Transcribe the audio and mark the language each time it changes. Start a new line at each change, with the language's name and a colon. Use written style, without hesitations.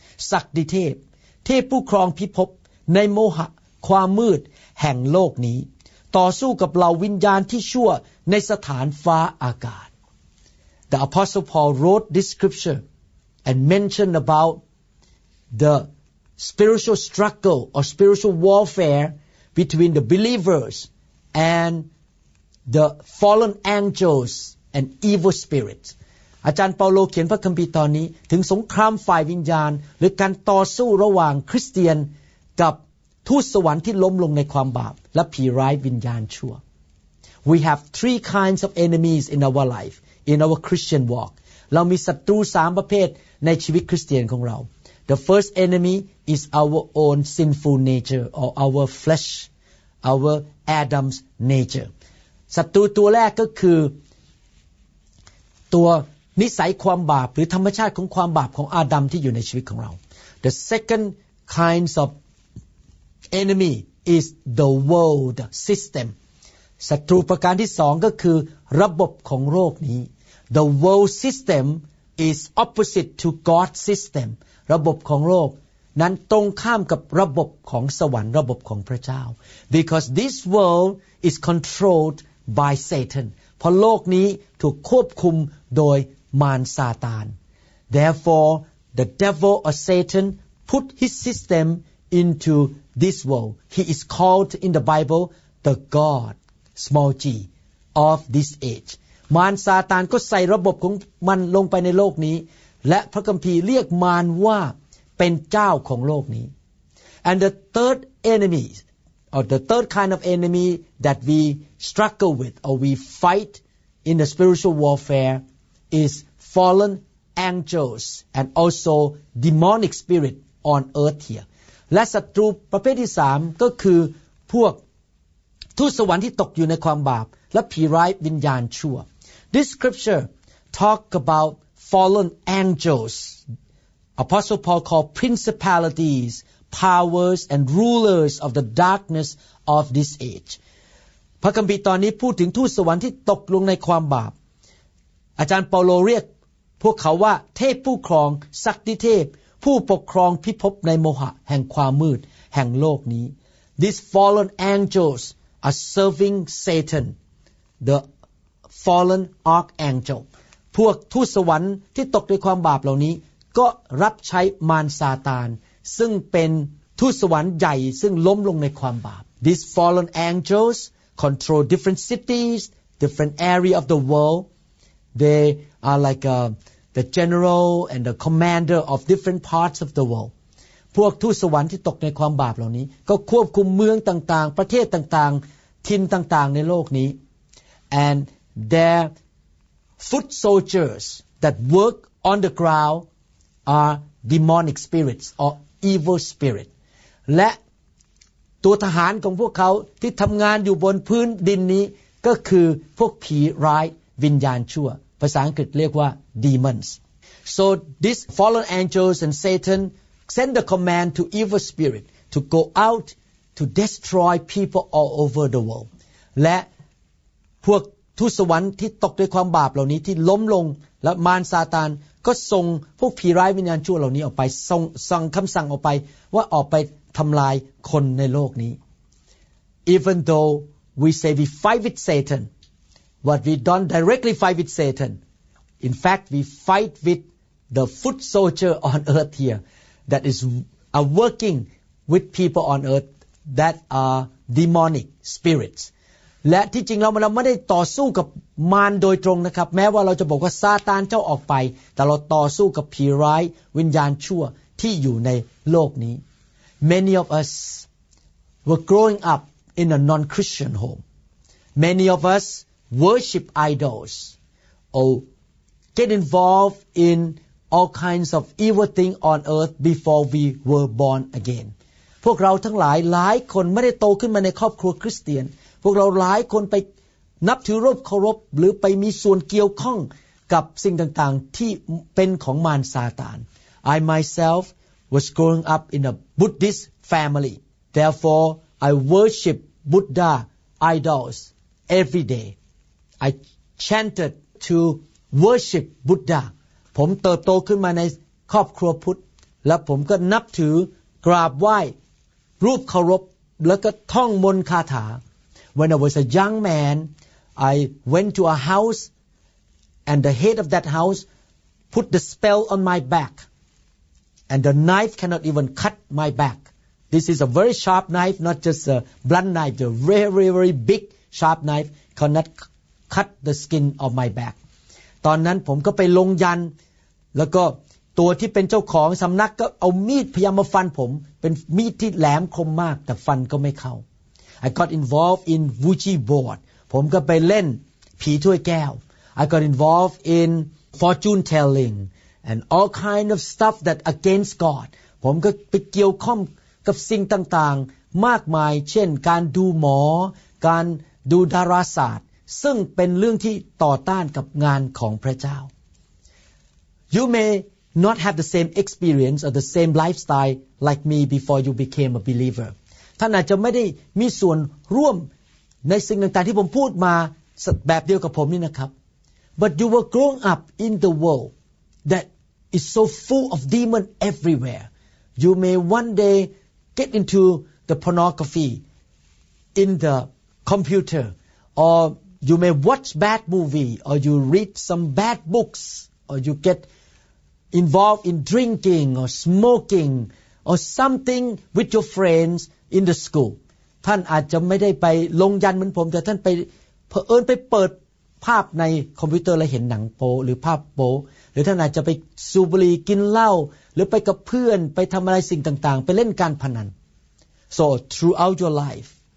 Thai: ศักดิ์เทพเทพผู้ครองพิภพในโมหะความมืดแห่งโลกนี้ต่อสู้กับเหล่าวิญญาณที่ชั่วในสถานฟ้าอากาศ
English: The Apostle Paul wrote this scripture and mentioned about the spiritual struggle or spiritual warfare between the believers and the fallen angels and evil spirits
Thai: อาจารย์เปาโลเขียนพระคัมภีร์ตอนนี้ถึงสงครามฝ่ายวิญญาณหรือการต่อสู้ระหว่างคริสเตียนกับทูตสวรรค์ที่ล้มลงในความบาปและผีร้ายวิญญาณชั่ว
English: We have three kinds of enemies in our life in our Christian walk
Thai: เรามีศัตรู3ประเภทในชีวิตคริสเตียนของเรา
English: The first enemy is our own sinful nature or our flesh our Adam's nature
Thai: ศัตรูตัวแรกก็คือตัวนิสัยความบาปหรือธรรมชาติของความบาปของอาดัมที่อยู่ในชีวิตของเรา
English: The second kinds ofEnemy is the world system.
Thai: ศัตรูประการที่สองก็คือระบบของโลกนี้
English: The world system is opposite to God's system.
Thai: ระบบของโลกนั้นตรงข้ามกับระบบของสวรรค์ระบบของพระเจ้า
English: Because this world is controlled by Satan.
Thai: เพราะโลกนี้ถูกควบคุมโดยมารซาตาน
English: Therefore, the devil or Satan put his system into this world. He is called in the Bible the God, small g, of this age.
Thai: มารซาตานก็ใส่ระบบของมันลงไปในโลกนี้และพระคัมภีร์เรียกมารว่าเป็นเจ้าของโลกนี้
English: And the third enemy, or the third kind of enemy that we struggle with or we fight in the spiritual warfare is fallen angels and also demonic spirit on earth here.
Thai: และศัตรูประเภทที่3ก็คือพวกทูตสวรรค์ที่ตกอยู่ในความบาปและผีร้ายวิญญาณชั่ว
English: This scripture talk about fallen angels. Apostle Paul called principalities, powers, and rulers of the darkness of this age.
Thai: พระคัมภีร์ตอนนี้พูดถึงทูตสวรรค์ที่ตกลงในความบาปอาจารย์เปาโลเรียกพวกเขาว่าเทพผู้ครองศักดิ์เทพผู้ปกครองพิภพในโมหะแห่งความมืดแห่งโลกนี้
English: These fallen angels are serving Satan, the fallen archangel.
Thai: พวกทูตสวรรค์ที่ตกในความบาปเหล่านี้ก็รับใช้มารซาตานซึ่งเป็นทูตสวรรค์ใหญ่ซึ่งล้มลงในความบาป
English: These fallen angels control different cities, different area of the world. They are like the general and the commander of different parts of the world.
Thai: พวกทูตสวรรค์ที่ตกในความบาปเหล่านี้ก็ควบคุมเมืองต่างๆประเทศต่างๆทินต่างๆในโลกนี้
English: And their foot soldiers that work on the groundare demonic spirits or evil spirit
Thai: และตัวทหารของพวกเขาที่ทำงานอยู่บนพื้นดินนี้ก็คือพวกผีร้ายวิญญาณชั่วภาษาอังกฤษเรียกว่า demons
English: so these fallen angels and Satan send the command to evil spirit to go out to destroy people all over the world
Thai: และพวกทูตสวรรค์ที่ตกด้วยความบาปเหล่านี้ที่ล้มลงและมารซาตานก็ส่งพวกผีร้ายวิญญาณชั่วเหล่านี้ออกไปส่งคำสั่งออกไปว่าออกไปทำลายคนในโลกนี้
English: Even though we say we fight with Satan, but we don't directly fight with Satan. In fact, we fight with the foot soldier on earth here that is are working with people on earth that are demonic spirits.
Thai: และที่จริงเราไม่ได้ต่อสู้กับมารโดยตรงนะครับแม้ว่าเราจะบอกว่าซาตานเจ้าออกไปแต่เราต่อสู้กับผีร้ายวิญญาณชั่วที่อยู่ในโลกนี้
English: Many of us were growing up in a non-Christian home. Many of us worship idols or get involved in all kinds of evil things on earth before we were born again.
Thai: พวกเราทั้งหลายคนไม่ได้โตขึ้นมาในครอบครัวคริสเตียนพวกเราหลายคนไปนับถือรบเคารพหรือไปมีส่วนเกี่ยวข้องกับสิ่งต่างๆที่เป็นของมารซาตาน
English: I myself was growing up in a Buddhist family. Therefore, I worship Buddha idols every day. I chanted to worship Buddha.
Thai: ผมเติบโตขึ้นมาในครอบครัวพุทธและผมก็นับถือกราบไหว้รูปเคารพแล้วก็ท่องมนต์คาถา
English: When I was a young man, I went to a house, and the head of that house put the spell on my back, and the knife cannot even cut my back. This is a very sharp knife, not just a blunt knife, a very, very, very big sharp knife cannot cut the skin of my back.
Thai: ตอนนั้นผมก็ไปลงยันแล้วก็ตัวที่เป็นเจ้าของสำนักก็เอามีดพยายามมาฟันผมเป็นมีดที่แหลมคมมากแต่ฟันก็ไม่เข้า
English: I got involved in Ouija board.
Thai: ผมก็ไปเล่นผีถ้วยแก้ว
English: I got involved in fortune telling and all kind of stuff that against God.
Thai: ผมก็ไปเกี่ยวข้องกับสิ่งต่างๆมากมายเช่นการดูหมอการดูดาราศาสตร์ซึ่งเป็นเรื่องที่ต่อต้านกับงานของพระเจ้า
English: You may not have the same experience or the same lifestyle like me before you became a believer.
Thai: ท่านอาจจะไม่ได้มีส่วนร่วมในสิ่งต่างๆที่ผมพูดมาแบบเดียวกับผมนี่นะครับ
English: But you were growing up in the world that is so full of demon everywhere. You may one day get into the pornography in the computer, or you may watch bad movie, or you read some bad books, or you get involved in drinking or smoking, or something with your friends in the school.
Thai: ท่านอาจจะไม่ได้ไปลงยันเหมือนผมแต่ท่านไปเผอิญไปเปิดภาพในคอมพิวเตอร์แล้วเห็นหนังโป๊หรือภาพโป๊หรือท่านอาจจะไปสูบบุหรี่กินเหล้าหรือไปกับเพื่อนไปทำอะไรสิ่งต่างๆไปเล่นการพนัน
English: So throughout your life